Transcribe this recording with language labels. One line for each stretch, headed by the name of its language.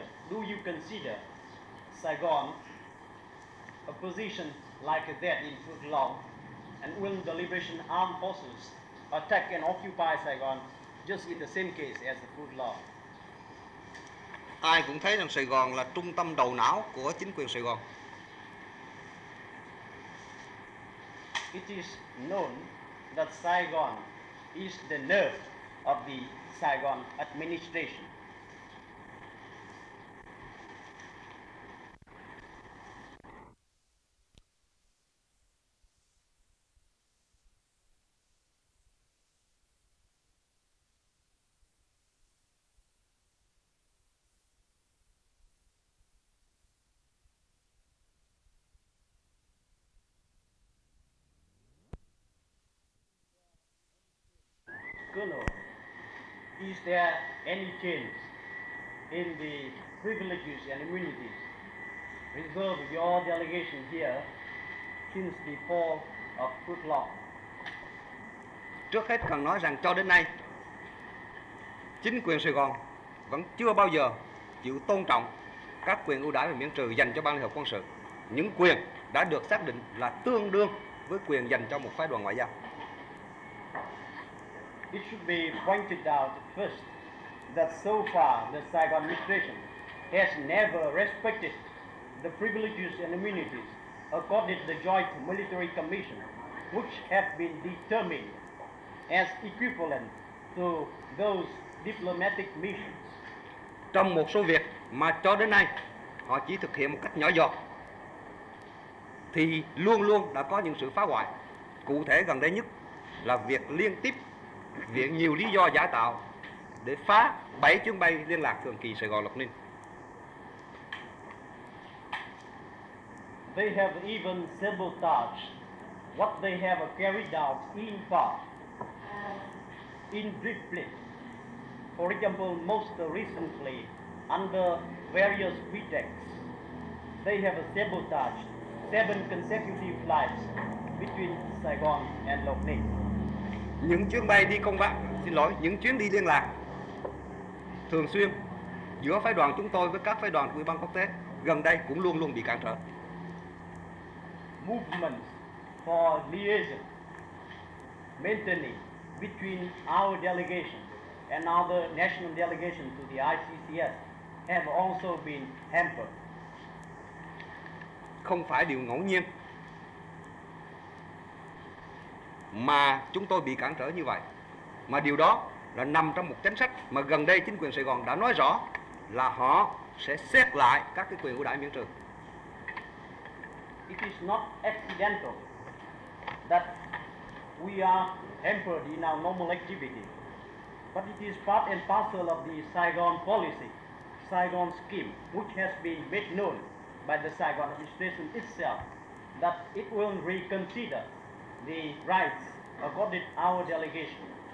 English: Do you consider Saigon a position like that in Phước Long? And will the Liberation Armed Forces attack and occupy Saigon just in the same case as the Phước Long?
Vietnamese: Ai cũng thấy rằng Sài Gòn là trung tâm đầu não của chính quyền Sài Gòn.
English: It is known that Saigon is the nerve of the Saigon administration. Is there any change in the privileges and immunities reserved your delegation here since the fall of Phut Long.
Vietnamese: Trước hết cần nói rằng cho đến nay, chính quyền Sài Gòn vẫn chưa bao giờ chịu tôn trọng các quyền ưu đãi và miễn trừ dành cho Ban Liên Hợp Quân Sự. Những quyền đã được xác định là tương đương với quyền dành cho một phái đoàn ngoại giao.
English: It should be pointed out first that so far the Saigon administration has never respected the privileges and immunities accorded to the Joint Military Commission, which have been determined as equivalent to those diplomatic missions.
Vietnamese: Trong một số việc mà cho đến nay họ chỉ thực hiện một cách nhỏ giọt, thì luôn luôn đã có những sự phá hoại. Cụ thể gần đây nhất là việc liên tiếp viện nhiều lý do giả tạo để phá 7 chuyến bay liên lạc thường kỳ Sài Gòn Lộc Ninh.
English: They have even sabotaged what they have carried out in part, in briefly. For example, most recently, under various pretexts, they have sabotaged 7 consecutive flights between Saigon and Lộc Ninh.
Vietnamese: Những chuyến bay đi công vận, xin lỗi, những chuyến đi liên lạc thường xuyên giữa phái đoàn chúng tôi với các phái đoàn của Ủy ban quốc tế gần đây cũng luôn luôn bị cản trở.
English: Movement for liaison maintaining between our delegation and other national delegations to the ICCS have also been hampered.
Vietnamese: Không phải điều ngẫu nhiên mà chúng tôi bị cản trở như vậy, mà điều đó là nằm trong một chính sách mà gần đây chính quyền Sài Gòn đã nói rõ là họ sẽ xét lại các cái quyền ưu đãi miễn trừ.
English: It is not accidental that we are hampered in our normal activity, but it is part and parcel of the Saigon policy, Saigon scheme, which has been made known by the Saigon administration itself that it will reconsider the rights accorded our delegation.